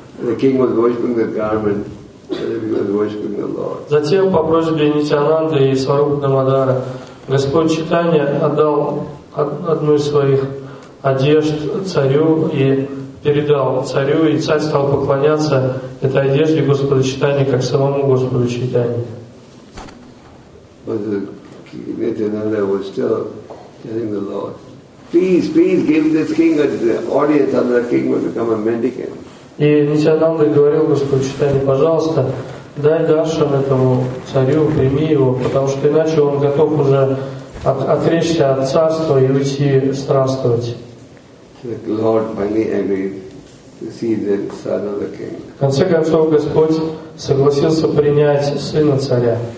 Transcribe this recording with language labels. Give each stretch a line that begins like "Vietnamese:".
English: The king was worshiping the garment, and he was worshiping the Lord.
Russian: Затем по просьбе Нитянанды и Сварупы Дамодара Господь Чайтанья отдал одну из своих одежд царю и передал царю, и царь стал поклоняться этой одежде Господа Чайтанья как самому Господу Чайтанья.
English: But Нитянанда was still telling the Lord, "Please, please give this king an audience, and the king will become a mendicant."
Russian: И Нитянанда говорил Господу Чайтанье, пожалуйста, дай даршан этому царю, прими его, потому что иначе он готов уже отречься от царства и уйти странствовать. В конце концов, Господь согласился принять сына царя.